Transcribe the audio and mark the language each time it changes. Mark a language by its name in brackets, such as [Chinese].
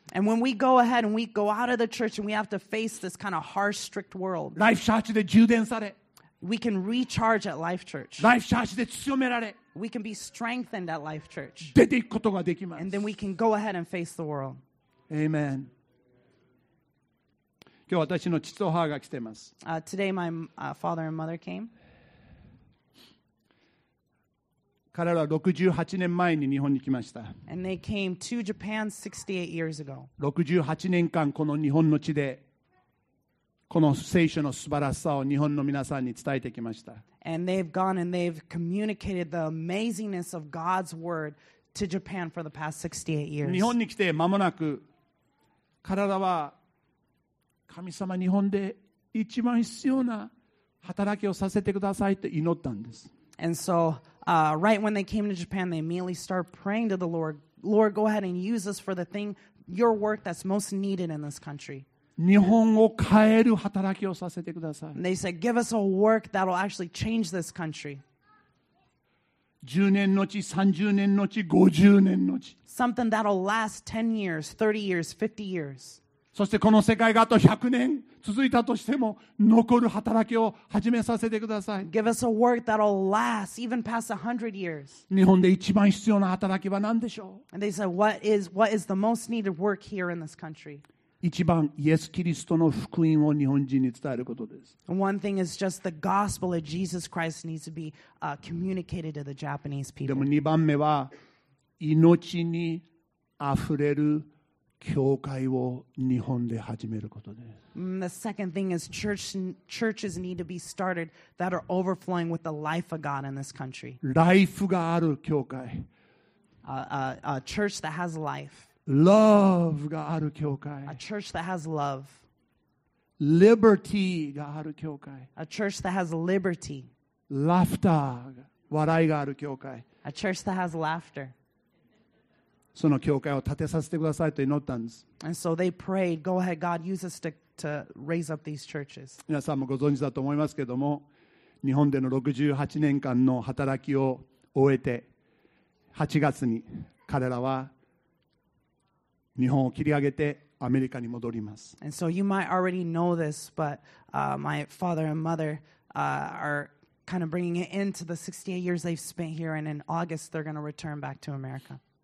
[English] And when we go ahead and we go out of the church and we have to face this kind of harsh, strict world, [Japanese] Life Church で充電され、 [English] we can recharge at Life Church. [Japanese] Life Church で強められ、 [English] we can be strengthened at Life Church. [Japanese] 出ていくことができます。 [English] And then we can go ahead and face the world. Amen. [Japanese] 今日私の父と母が来ています。 [English] Today my father and mother came. [Japanese] 彼らは68年前に日本に来ました。 [English] And they came to Japan 68 years ago. [Japanese] 68年間この日本の地でこの聖書の素晴らしさを日本の皆さんに伝えてきました。 [English] And they've gone and they've communicated the amazingness of God's word to Japan for the past 68 years. [Japanese] 日本に来て間もなく彼らは神様日本で一番必要な働きをさせてくださいと祈ったんです。 [English] And so,right when they came to Japan, they immediately started praying to the Lord. Lord, go ahead and use us for the thing, your work that's most needed in this country. [Japanese] 日本を変える働きをさせてください。 [English] And they said, give us a work that'll actually change this country. [Japanese] 10年のち、30年のち、50年のち。 [English] Something that'll last 10 years, 30 years, 50 years. [Japanese] そしてこの世界があと100年続いたとしても残る働きを始めさせてください。 [English] Give us a work that'll last even past 100 years. [Japanese] 日本で一番必要な働きは何でしょう? [English] And they said, what is the most needed work here in this country? [Japanese] 一番イエス・キリストの福音を日本人に伝えることです。 [English] One thing is just the gospel of Jesus Christ needs to be communicated to the Japanese people. [Japanese] でも二番目は命にあふれる教会を日本で始めることです。 [English] The second thing is churches need to be started that are overflowing with the life of God in this country. [Japanese] Life がある教会。 [English] A church that has life. [Japanese] Love がある教会。 [English] A church that has love. [Japanese] Liberty がある教会。 [English] A church that has liberty. [Japanese] Laughter、笑いがある教会。 [English] A church that has laughter. [Japanese] その教会を建てさせてくださいと祈ったんです。 [English] And so they prayed, go ahead, God, use us to raise up these churches. [Japanese] 皆さんもご存知だと思いますけども、日本での68年間の働きを終えて、8月に彼らは日本を切り上げてアメリカに戻ります。 [English] And so you might already know this, but my father and mother are kind of bringing it into the 68 years they've spent here, and in August they're going to return back to America.